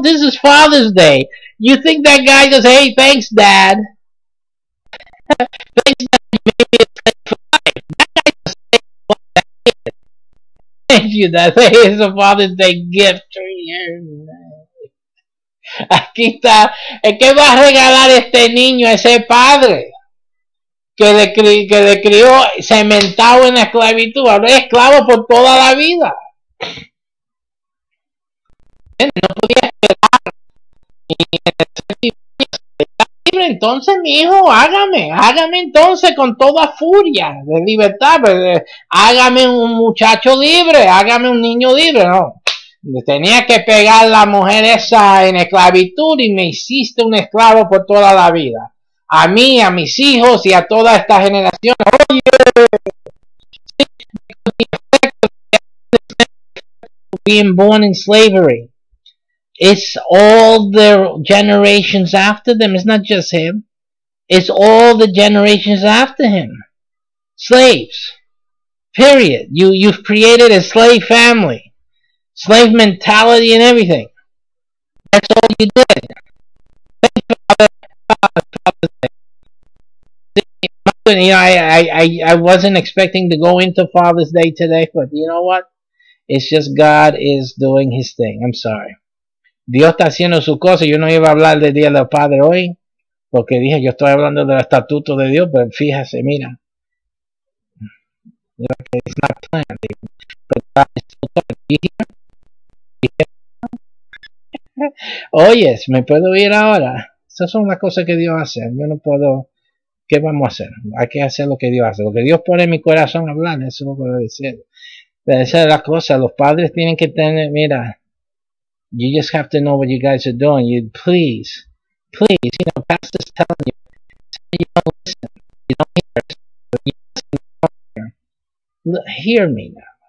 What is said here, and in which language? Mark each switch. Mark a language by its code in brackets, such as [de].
[en] This is Father's Day. You think that guy goes, hey, thanks, Dad. Thanks, Dad. You made me a slave for life. That guy goes, hey, what that is. Thank you, Dad. Hey, it's a Father's Day gift to you. [es] Aquí está. ¿Qué va a regalar este niño a ese padre? Que le crió cementado en la esclavitud. Ahora es esclavo por toda la vida. No podía esperar. ¿Está libre entonces, mi hijo? Hágame. Hágame entonces con toda furia de libertad. Pues, hágame un muchacho libre. Hágame un niño libre. No. Tenía que pegar a la mujer esa en esclavitud y me hiciste un esclavo por toda la vida. A mí, a mis hijos y a toda esta generación. Oye, [en] being born in slavery, it's all the generations after them. It's not just him. It's all the generations after him. Slaves. Period. You've created a slave family, slave mentality, and everything. That's all you did. I wasn't expecting to go into Father's Day today, but you know what? It's just God is doing his thing. I'm sorry. [es] Dios está haciendo su cosa. Yo no iba a hablar del Día del Padre hoy, porque dije, yo estoy hablando del estatuto de Dios, pero fíjese, mira. [en] It's not planned. But God is still talking. [es] Oye, ¿me puedo ir ahora? Esas son las cosas que Dios hace. Yo no puedo... ¿Qué vamos a hacer? Hay que hacer lo que Dios hace. Lo que Dios pone en mi corazón a hablar, eso es lo que voy a decir. Pero esa es la cosa. Los padres tienen que tener, mira, [en] you just have to know what you guys are doing. You, please, please, you know, pastor's telling you, you don't listen, you don't hear, but you listen, you don't hear. Hear me now.